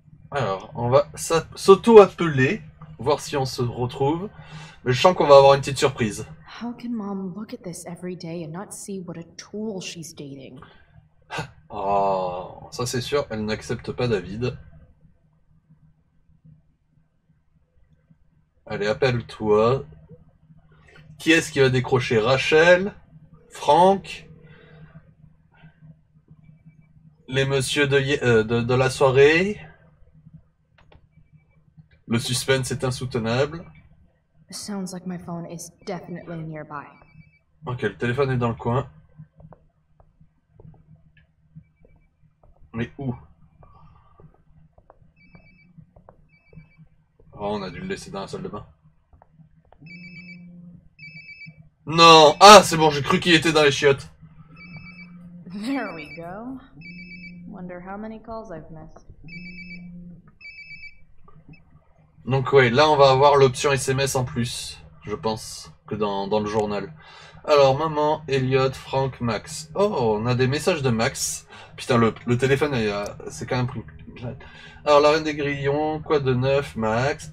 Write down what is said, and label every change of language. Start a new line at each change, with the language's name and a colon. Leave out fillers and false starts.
French: Alors, on va s'auto-appeler, voir si on se retrouve. Mais je sens qu'on va avoir une petite surprise.
English: How can mom look at this every day and not see what a tool she's dating?
French: Oh, ça c'est sûr, elle n'accepte pas David. Allez, appelle-toi. Qui est-ce qui va décrocher? Rachel? Franck? Les messieurs de la soirée. Le suspense est insoutenable.
English: Sounds like my phone is definitely nearby.
French: Ok, le téléphone est dans le coin. Mais où? Oh, on a dû le laisser dans la salle de bain. Non! Ah, c'est bon, j'ai cru qu'il était dans les chiottes.
English: There we go. Wonder how many calls I've missed.
French: Donc ouais, là on va avoir l'option SMS en plus. je pense, que dans le journal. Alors, maman, Elliot, Frank, Max. Oh, on a des messages de Max. Putain, le téléphone, c'est quand même pris. Alors, la reine des grillons, quoi de neuf, Max?